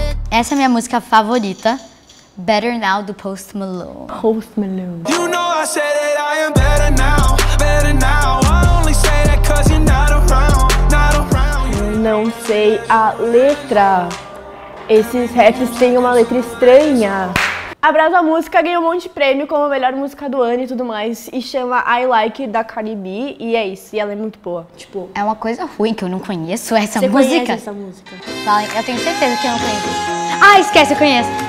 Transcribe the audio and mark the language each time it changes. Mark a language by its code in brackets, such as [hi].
[pt] Essa é a minha música favorita, Better Now, do Post Malone. Post Malone. [en] You know I said that I am better now, better now. I only say that cause you're not around, not around. [pt] Não sei a letra. Esses raps têm uma letra estranha. Abraço a música, ganhou um monte de prêmio como a melhor música do ano e tudo mais. E chama I Like da Cardi B. E é isso, e ela é muito boa. Tipo, é uma coisa ruim que eu não conheço essa você música. Você conhece essa música? Fala, eu tenho certeza que eu não conheço. Ah, esquece, eu conheço.